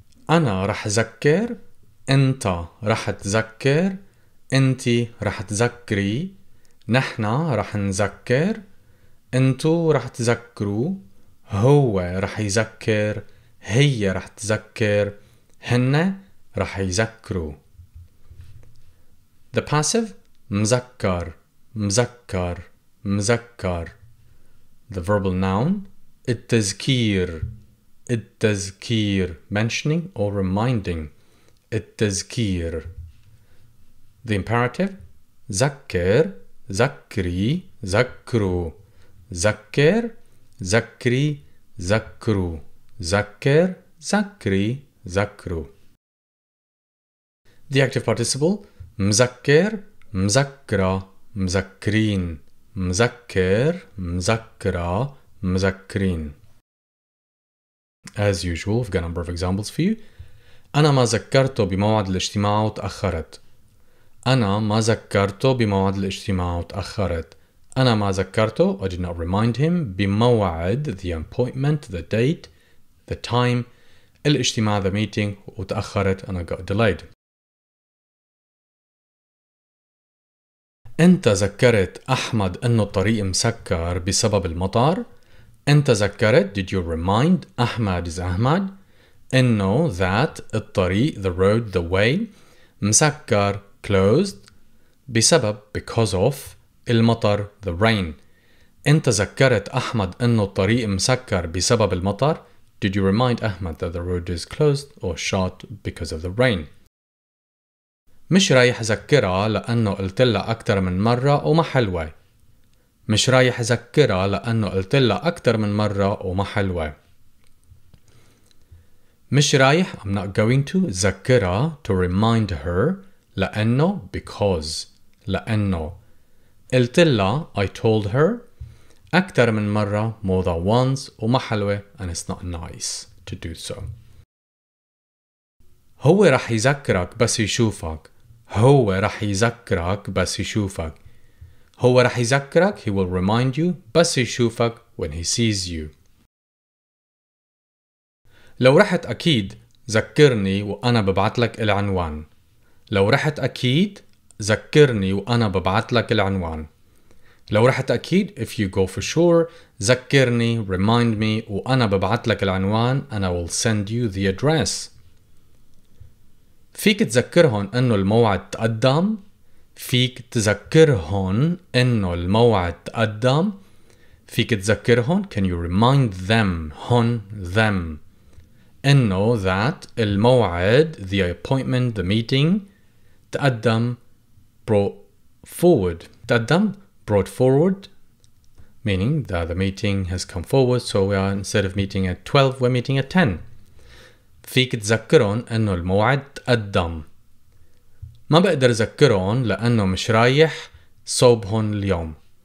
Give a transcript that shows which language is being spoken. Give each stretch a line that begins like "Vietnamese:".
Arabic: أنا رح ذكر, أنت رح تذكر, أنت رح تذكري, نحن رح نذكر, أنتو رح تذكروا, هو رح يذكر, هي رح تذكر, هن رح يذكروا.
English: The passive
Arabic: مذكر, مذكر, مذكر.
English: The verbal noun التذكير, التذكير, mentioning or reminding, التذكير. The imperative
Arabic: ذكر, ذكري, ذكروا, ذكر, ذكري, ذكروا, ذكر, ذكري, ذكروا.
English: The active participle
Arabic: مذكر, مذكرة, مذكرين, مذكر, مذكرة, مذكرين.
English: As usual, we've got a number of examples for you.
Arabic: أنا ما ذكرته بموعد الاجتماع وتأخرت. أنا ما ذكرته بموعد الاجتماع وتأخرت. أنا ما ذكرته,
English: I did not remind him,
Arabic: بموعد,
English: the appointment, the date, the time,
Arabic: الاجتماع,
English: the meeting,
Arabic: وتأخرت,
English: and I got delayed.
Arabic: أنت ذكرت أحمد أنه الطريق مسكر بسبب المطر. أنت ذكرت,
English: did you remind, أحمد is أحمد,
Arabic: أنه
English: that,
Arabic: الطريق,
English: the road, the way,
Arabic: مسكر,
English: closed,
Arabic: بسبب,
English: because of,
Arabic: المطر,
English: the rain.
Arabic: أنت ذكرت أحمد أنه الطريق مسكر بسبب المطر.
English: Did you remind Ahmad that the road is closed or shut because of the rain?
Arabic: مش رايح ذكرها لأنه قلت لها أكثر من مرة وما حلوة. مش رايح أذكرها لأنه قلت لها أكثر من مرة وما حلوة. مش رايح
English: I'm not going to
Arabic: ذكرها
English: to remind her
Arabic: لأنه
English: because
Arabic: لأنه قلت لها
English: I told her
Arabic: أكثر من مرة
English: more than once
Arabic: وما حلوة
English: and it's not nice to do so.
Arabic: هو رح يذكرك بس يشوفك. هو رح يذكرك بس يشوفك. هو رح يذكرك
English: he will remind you
Arabic: بس يشوفك
English: when he sees you.
Arabic: لو رحت أكيد ذكرني وأنا ببعث لك العنوان. لو رحت أكيد ذكرني وأنا ببعث لك العنوان. لو رحت أكيد
English: if you go for sure
Arabic: ذكرني
English: remind me
Arabic: وأنا ببعث لك العنوان
English: and I will send you the address.
Arabic: فيك تذكرهم أنه الموعد تقدم. فيك تذكرهم أنه الموعد تقدم. فيك تذكرهم
English: can you remind them
Arabic: هون
English: them
Arabic: أنه
English: that
Arabic: الموعد
English: the appointment the meeting
Arabic: تقدم
English: brought forward
Arabic: تقدم
English: brought forward meaning that the meeting has come forward so we are instead of meeting at 12 we're meeting at 10.
Arabic: فيك تذكرهم أنه الموعد تقدم. ما بقدر أذكرهم لأنه مش رايح صوبهم اليوم.